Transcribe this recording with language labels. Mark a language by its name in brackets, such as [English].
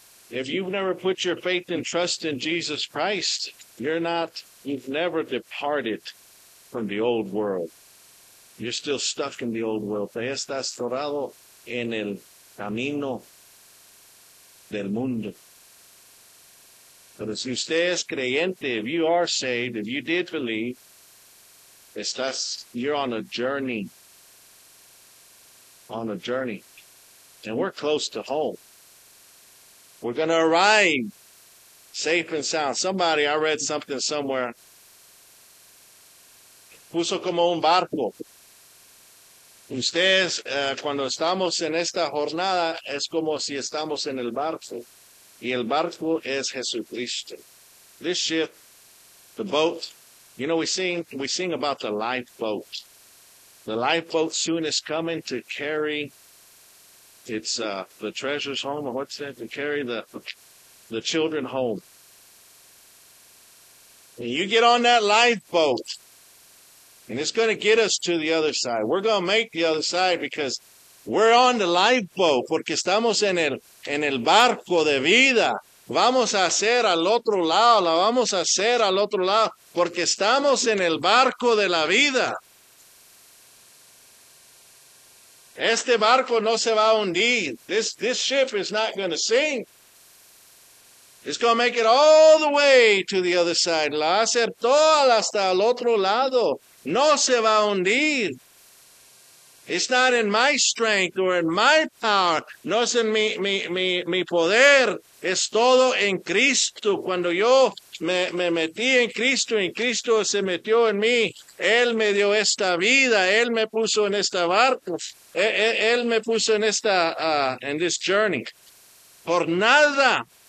[English] If you've never put your faith and trust in Jesus Christ, you've never departed from the old world. You're still stuck in the old world. [Spanish] Te estás atorado en el camino del mundo. Pero si usted es creyente, [English] if you are saved, if you did believe, you're on a journey. On a journey. And we're close to home. We're going to arrive safe and sound. Somebody, I read something somewhere, [Spanish] puso como un barco. Ustedes, cuando estamos en esta jornada, es como si estamos en el barco. Y el barco es Jesucristo. [English] This ship, the boat, you know, we sing about the lifeboat. The lifeboat soon is coming to carry its the treasures home, or what's that? To carry the children home. And you get on that lifeboat, and it's going to get us to the other side. We're going to make the other side because we're on the lifeboat, [Spanish] porque estamos en el barco de vida. Vamos a hacer al otro lado, la vamos a hacer al otro lado, porque estamos en el barco de la vida. Este barco no se va a hundir. [English] This ship is not going to sink. It's going to make it all the way to the other side. [Spanish] La va a hacer toda hasta el otro lado. No se va a hundir. [English] It's not in my strength or in my power. [Spanish] No es en mi poder. Es todo en Cristo. Cuando yo me metí en Cristo, y Cristo se metió en mí. Él me dio esta vida. Él me puso en esta barco. Él me puso en esta, en [English] this journey. [Spanish] Por nada.